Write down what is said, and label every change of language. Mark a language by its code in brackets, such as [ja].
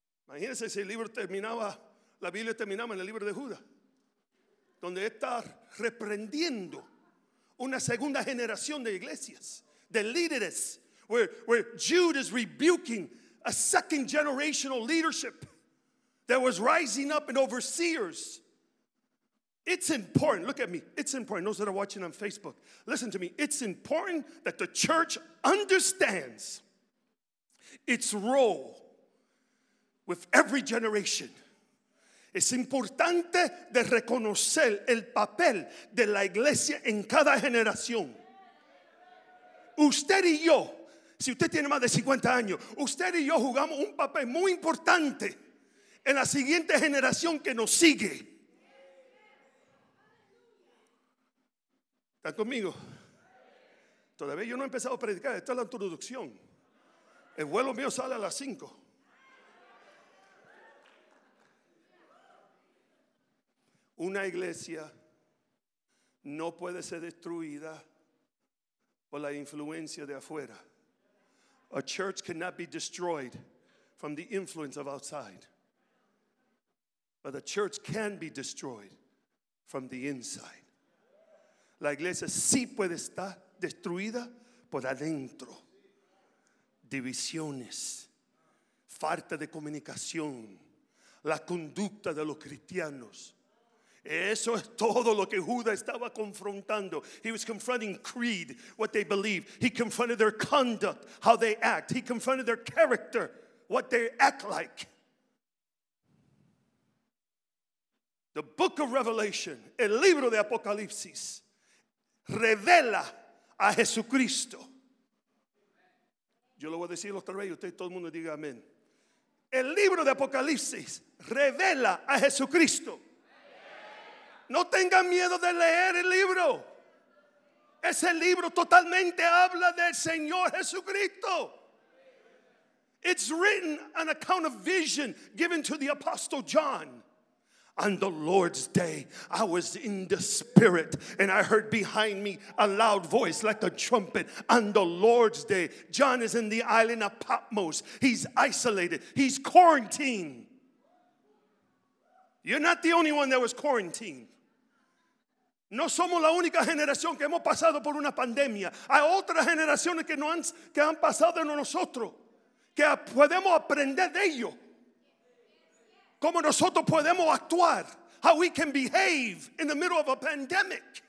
[es] Imagínense si el libro terminaba, la Biblia terminaba en el libro de Judas, donde está reprendiendo una segunda generación de iglesias, de líderes, [en] where Jude is rebuking a second generational leadership that was rising up in overseers. It's important. [es] Look at me. It's important. [en] Those that are watching on Facebook, listen to me. It's important that the church understands its role with every generation. [es] Es importante de reconocer el papel de la iglesia en cada generación. Usted y yo, si usted tiene más de 50 años, usted y yo jugamos un papel muy importante en la siguiente generación que nos sigue. ¿Están conmigo? Todavía yo no he empezado a predicar. Esta es la introducción. El vuelo mío sale a las 5. Una iglesia no puede ser destruida por la influencia de afuera. [en] A church cannot be destroyed from the influence of outside. But a church can be destroyed from the inside. [es] La iglesia sí puede estar destruida por adentro. Divisiones, falta de comunicación, la conducta de los cristianos. Eso es todo lo que Judas estaba confrontando. [en] He was confronting creed, what they believe. He confronted their conduct, how they act. He confronted their character, what they act like. The book of Revelation, [es] el libro de Apocalipsis, revela a Jesucristo. Yo lo voy a decir otra vez y usted todo el mundo diga amén. El libro de Apocalipsis revela a Jesucristo. No tengan miedo de leer el libro. Ese libro totalmente habla del Señor Jesucristo. [en] It's written an account of vision given to the Apostle John. On the Lord's day, I was in the spirit and I heard behind me a loud voice like a trumpet. On the Lord's day, John is in the island of Patmos. He's isolated. He's quarantined. You're not the only one that was quarantined. [es] No somos la única generación que hemos pasado por una pandemia. Hay otras generaciones que han pasado en nosotros, que podemos aprender de ello. Cómo nosotros podemos actuar. [en] How we can behave in the middle of a pandemic.